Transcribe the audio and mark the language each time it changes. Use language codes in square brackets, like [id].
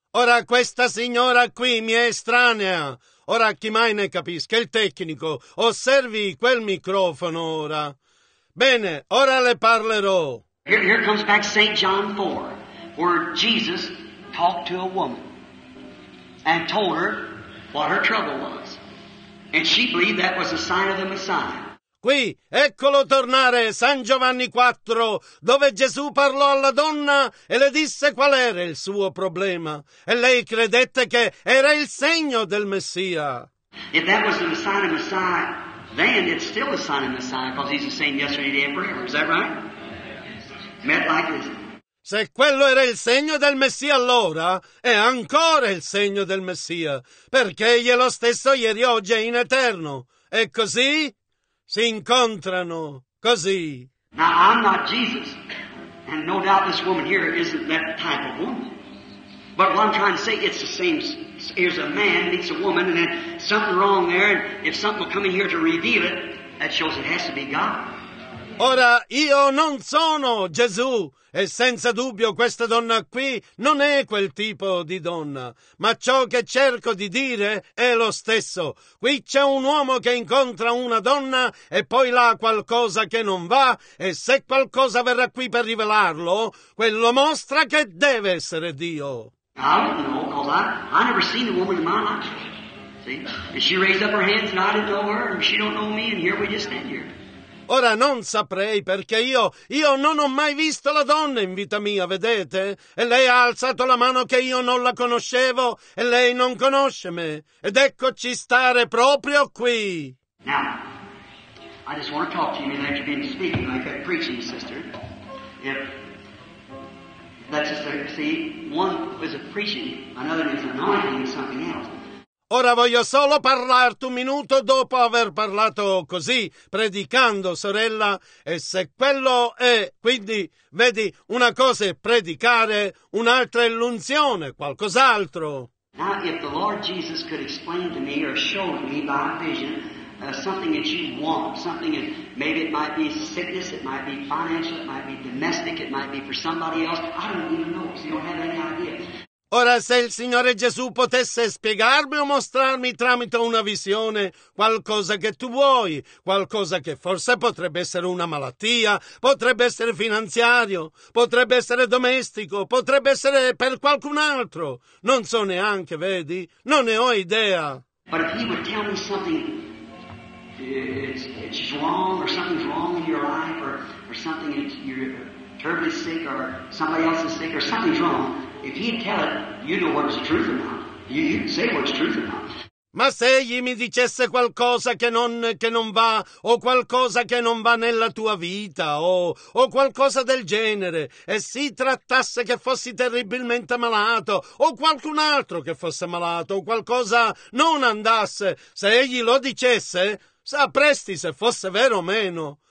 [it] Ora, questa signora qui mi è estranea. Ora, chi mai ne capisca, il tecnico, osservi quel microfono ora. Bene, ora le parlerò. [en] Here comes back St. John 4, where Jesus talked to a woman and told her what her trouble was. And she believed that was a sign of the Messiah. [it] Qui, eccolo tornare, San Giovanni 4, dove Gesù parlò alla donna e le disse qual era il suo problema. E lei credette che era il segno del Messia. [en] If that was the sign of Messiah, then it's still a sign of Messiah, because he's the same yesterday, today, and forever. Is that right? Met like this. [it] Se quello era il segno del Messia allora, è ancora il segno del Messia, perché egli è lo stesso ieri, oggi e in eterno. E così... si incontrano così. [en] Now I'm not Jesus, and no doubt this woman here isn't that type of woman. But what I'm trying to say, it's the same. Here's a man meets a woman, and then something wrong there. And if something will come in here to reveal it, that shows it has to be God. [it] Ora io non sono Gesù. E senza dubbio questa donna qui non è quel tipo di donna, ma ciò che cerco di dire è lo stesso. Qui c'è un uomo che incontra una donna e poi là qualcosa che non va, e se qualcosa verrà qui per rivelarlo, quello mostra che deve essere Dio. [en] I don't know, because I never seen the woman in my life. See? And she raised up her hands and I didn't know her, and she don't know me, and here we just stand here. [it] Ora non saprei, perché io non ho mai visto la donna in vita mia, vedete? E lei ha alzato la mano che io non la conoscevo, e lei non conosce me. Ed eccoci stare proprio qui. [en] Now, I just want to talk to you, and you've been speaking like that preaching, sister. If that's just a, see, one is a preaching, another is anointing, something else. [it] Ora voglio solo parlarti un minuto dopo aver parlato così, predicando, sorella, e se quello è, quindi, vedi, una cosa è predicare, un'altra è l'unzione, qualcos'altro. [en] Now, if the Lord Jesus could explain to me or show me by vision something that you want, something that maybe it might be sickness, it might be financial, it might be domestic, it might be for somebody else, I don't even know, because you don't have any idea. [it] Ora, se il Signore Gesù potesse spiegarmi o mostrarmi tramite una visione qualcosa che tu vuoi, qualcosa che forse potrebbe essere una malattia, potrebbe essere finanziario, potrebbe essere domestico, potrebbe essere per qualcun altro, non so neanche, vedi, non ne ho idea. [en] But if he would tell me something, it's wrong, or something's wrong in your life, or something that you're terribly sick, or somebody else is sick, or something's wrong. If he'd tell it, you know what's the truth or not. You can say what's truth or not. [it] Ma se egli mi dicesse qualcosa che non va, o qualcosa che non va nella tua vita, o qualcosa del genere, e si trattasse che fossi terribilmente malato, o qualcun altro che fosse malato, o qualcosa non andasse, se egli lo dicesse, sapresti se fosse vero o meno.